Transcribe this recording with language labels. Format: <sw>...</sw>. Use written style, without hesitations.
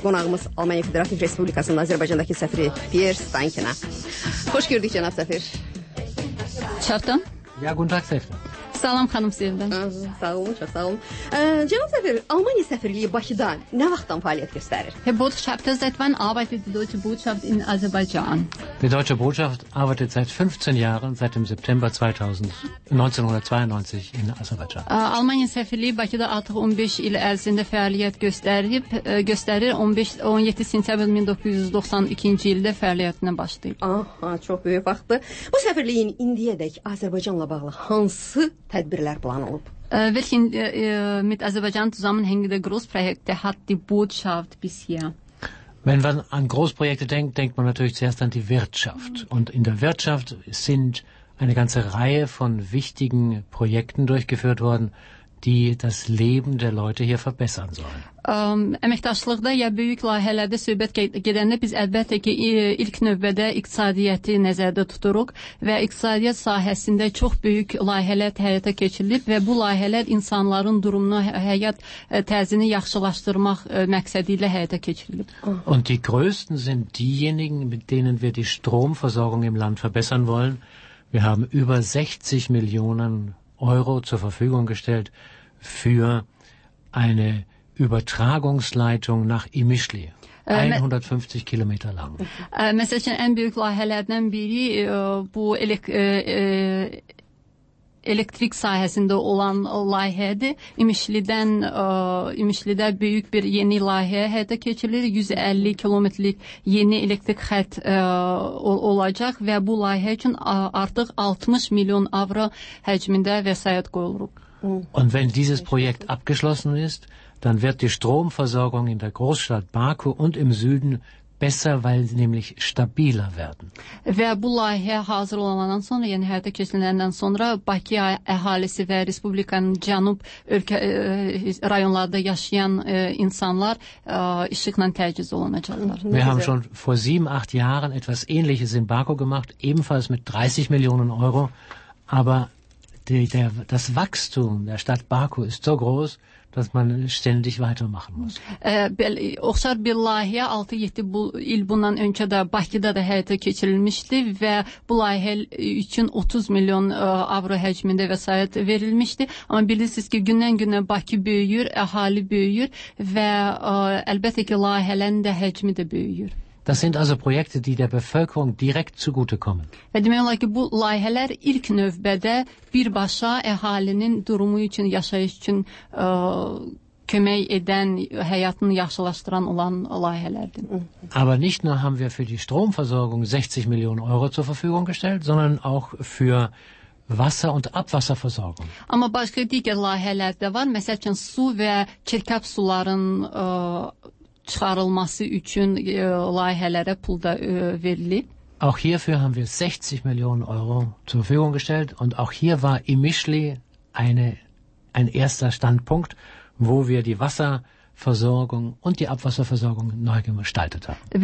<az>Qonağımız Almanya Federativ Respublikasının Azərbaycandakı səfiri Pierre Stankina. Xoş gördük, cənab səfir. Çatdın?</az> <de>Ya, guten Tag, Sefer.</de> <az>Salam, xanım Sevdən. Sağ olun, çox sağ olun. Cənab səfir, Almanya səfirliyi Bakıda nə vaxtdan fəaliyyət göstərir?</az> <de>Bot Chapter seit wann arbeitet die Deutsche Botschaft in Aserbaidschan? Die Deutsche Botschaft arbeitet seit 15 Jahren, seit dem September 1992 in Aserbaidschan.</de> <az>Almanya səfirliyi Bakıda artıq 15 il ərzində fəaliyyət göstərib, göstərir. 17 sentyabr 1992-ci ildə fəaliyyətinə başlayıb. Aha, çox böyük vaxtdır. Bu səfirliyin indiyədək Azərbaycanla bağlı hansı tədbirlər planlanıb?</az> <de>Welchen mit Aserbaidschan zusammenhängende Großprojekte hat die Botschaft bisher? Wenn man an Großprojekte denkt, denkt man natürlich zuerst an die Wirtschaft. Und in der Wirtschaft sind eine ganze Reihe von wichtigen Projekten durchgeführt worden, die das Leben der Leute hier verbessern sollen.</de> <az>Əməkdaşlıqda ya böyük layihələrdə söhbət gedəndə biz əlbəttə ki ilk növbədə iqtisadiyyatı nəzərdə tuturuq və iqtisadiyyat sahəsində çox böyük layihələr həyata keçirilib və bu layihələr insanların durumunu, həyat tərzini yaxşılaşdırmaq məqsədi ilə həyata keçirilib.</az> <de>Und die größten sind diejenigen, mit denen wir die Stromversorgung im Land verbessern wollen. Wir haben über 60 Millionen Euro zur Verfügung gestellt für eine Übertragungsleitung nach Imişli, 150 kilometer lang.</de> <az>Məsəl üçün, ən böyük layihələrdən biri bu elektrik sahəsində olan layihədir. İmişlidən, İmişlidə böyük bir yeni layihə həyata keçirilir. 150 kilometrlik yeni elektrik xətt olacaq və bu layihə üçün artıq 60 milyon avro həcmində vəsait qoyulub.</az> <de>Und wenn dieses Projekt abgeschlossen ist, dann wird die Stromversorgung in der Großstadt Baku und im Süden besser, weil sie nämlich stabiler werden.</de> <az>Wer bu layihə hazır olandan sonra, yəni həyata keçirilənlərindən sonra Bakı əhalisi və respublikanın cənub ölkə rayonlarında yaşayan insanlar işıqla təchiz olunacaqlar.</az> <de>Wir haben schon vor 7-8 Jahren etwas ähnliches in Baku gemacht, ebenfalls mit 30 Millionen Euro, aber das Wachstum der Stadt Baku ist so groß, dass man ständig weitermachen muss.</de> <az>Oxşar bir layihə 6-7 il bundan öncə də Bakıda da həyata keçirilmişdi və bu layihə üçün 30 milyon avro həcmində vəsait verilmişdi. Amma bilirsiniz ki, gündən günə Bakı böyüyür, əhali böyüyür və əlbəttə ki, layihələrin də həcmi də böyüyür.</az> <de>Das sind also Projekte, die der Bevölkerung direkt zugute kommen.</de> <az>Və demək olar ki, bu layihələr ilk növbədə birbaşa əhalinin durumu üçün, yaşayış üçün kömək edən, həyatını yaxşılaşdıran olan layihələrdir.</az> <de>Aber nicht nur haben wir für die Stromversorgung 60 Millionen Euro zur Verfügung gestellt, sondern auch für Wasser- und Abwasserversorgung.</de> <az>Amma başqa digər layihələr də var, məsəl üçün su və çirkab suların çıxarılması üçün layihələrə pul da verilib.</az> <de>Auch hierfür haben wir 60 Millionen Euro zur Verfügung gestellt und auch hier war Imişli ein erster Standpunkt, wo wir die Wasserversorgung und die Abwasserversorgung neu gestaltet haben.</de>